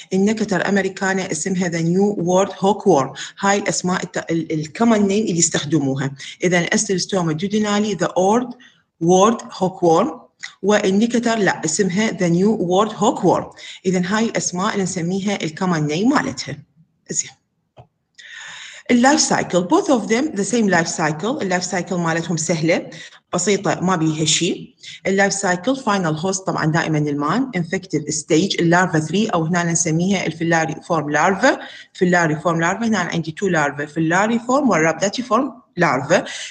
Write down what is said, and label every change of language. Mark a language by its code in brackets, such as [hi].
[ar] النكتر الأمريكانة اسمها [en] The New World Hookworm. [ar] هاي الأسماء الكمان نيم اللي يستخدموها. إذا الأستريستوما ديودنالي [en] The Old World Hookworm، [ar] والنكتر لا اسمها [en] The New World Hookworm. [ar] إذا هاي الأسماء اللي نسميها الكمان نيم مالتها. [en] زين life cycle both of them the same life cycle. [ar] life cycle مالتهم سهلة بسيطة ما بيها شيء. [en] life cycle final host [ar] طبعا دائما المان [en] infective stage larva 3 [ar] او هنا نسميها الفيلاري فورم لارفا. فيلاري فورم لارفا هنا عندي 2 لارفا، فيلاري فورم والرابداتي فورم لارفا.